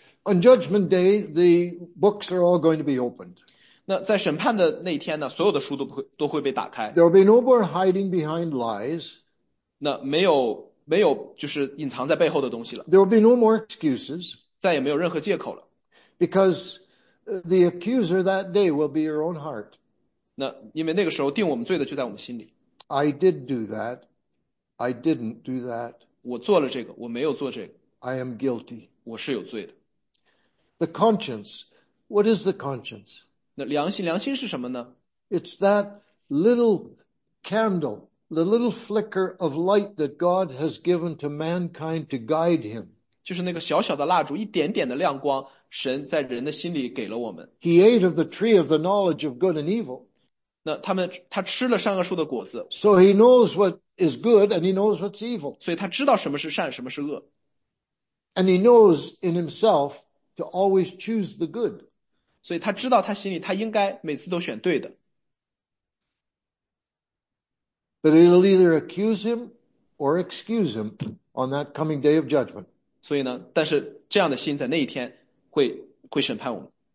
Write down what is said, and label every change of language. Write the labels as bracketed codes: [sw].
[en] On judgment day, the books are all going to be opened. [zh] 那在审判的那天呢，所有的书都会被打开。 [en] There will be no more hiding behind lies. [zh] 那没有就是隐藏在背后的东西了。 [en] There will be no more excuses. [zh] 再也没有任何借口了。 [en] Because the accuser that day will be your own heart. [zh] 那因为那个时候定我们罪的就在我们心里。 [en] I did do that. I didn't do that. [zh] 我做了这个，我没有做这个。 [en] I am guilty. [zh] 我是有罪的。 [en] The conscience. What is the conscience? [zh] 那良心，良心是什么呢？ [en] It's that little candle, the little flicker of light that God has given to mankind to guide him. [zh] 就是那个小小的蜡烛，一点点的亮光，神在人的心里给了我们。 [en] He ate of the tree of the knowledge of good and evil. [zh] 那他吃了善恶树的果子。 [en] So he knows what is good and he knows what's evil. [zh] 所以他知道什么是善，什么是恶。 [en] And he knows in himself to always choose the good. [zh] 所以他知道他心里他应该每次都选对的。 [en] But it'll either accuse him or excuse him on that coming day of judgment. [zh] 所以呢，但是这样的心在那一天会审判我们。